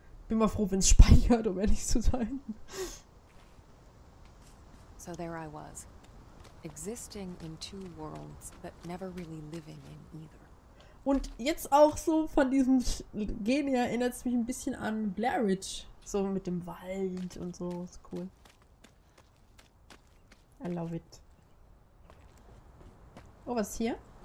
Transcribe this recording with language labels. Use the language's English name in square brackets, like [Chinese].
[German] Bin mal froh, wenn es speichert, um ehrlich zu sein. [English] So there I was. Existing in two worlds, but never really living in either. [German] Und jetzt auch so von diesem Gen her erinnert es mich ein bisschen an Blair Witch. So mit dem Wald und so. Ist cool. [English] I love it. [German] Oh, was ist hier?